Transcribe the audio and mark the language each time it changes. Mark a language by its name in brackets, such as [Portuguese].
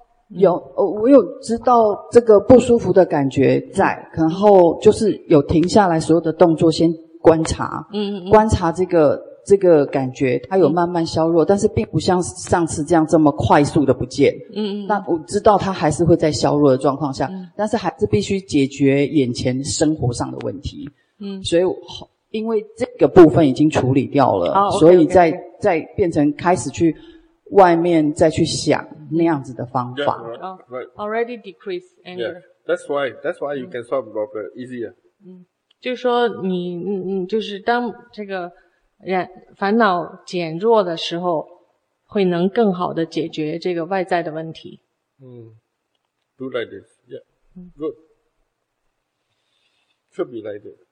[Chinese] 有，我有知道这个不舒服的感觉在，然后就是有停下来所有的动作先观察，观察这个感觉它有慢慢消弱，但是并不像上次这样这么快速的不见，那我知道它还是会在消弱的状况下，但是还是必须解决眼前生活上的问题，所以因为这个部分已经处理掉了，所以再变成开始去外面再去想那样子的方法。 [English] Already decrease anger. Yeah, that's why you can solve problem easier. [Chinese] 就是说你就是当这个烦恼减弱的时候，会能更好的解决这个外在的问题。 [English] Do like this. Yeah. Good. Should be like this.